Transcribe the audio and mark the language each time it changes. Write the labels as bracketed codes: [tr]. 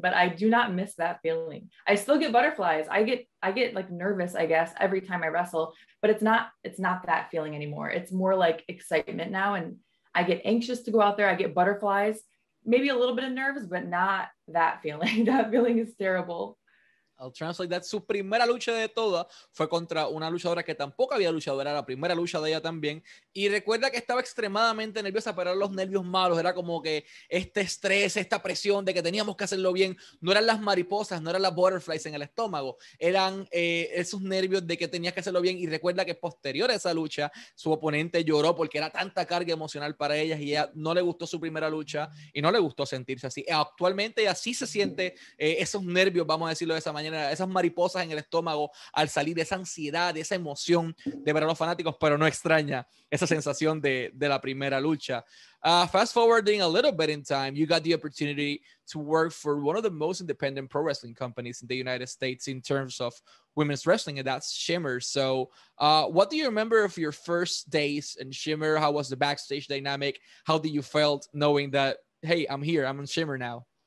[en] But I do not miss that feeling. I still get butterflies. I get like nervous, I guess, every time I wrestle, but it's not that feeling anymore. It's more like excitement now. And I get anxious to go out there. I get butterflies. Maybe a little bit of nerves, but not that feeling. That feeling is terrible. I'll translate that. [es] Su primera lucha de todas fue contra una luchadora que tampoco había luchado. Era la primera lucha de ella también. Y recuerda que estaba extremadamente nerviosa, pero eran los nervios malos. Era como que este estrés, esta presión de que teníamos que hacerlo bien. No eran las mariposas, no eran las butterflies en el estómago. Eran esos nervios de que tenías que hacerlo bien. Y recuerda que posterior a esa lucha, su oponente lloró porque era tanta carga emocional para ellas y ella no le gustó su primera lucha y no le gustó sentirse así. Actualmente así se siente esos nervios, vamos a decirlo de esa mañana, esas mariposas en el estómago al salir, esa ansiedad, esa emoción de ver a los fanáticos, pero no extraña esa sensación de la primera lucha. [en] Fast forwarding a little bit in time, you got the opportunity to work for one of the most independent pro wrestling companies in the United States in terms of women's wrestling, and that's Shimmer. So what do you remember of your first days in Shimmer? How was the backstage dynamic? How did you felt knowing that, hey, I'm here, I'm in Shimmer now?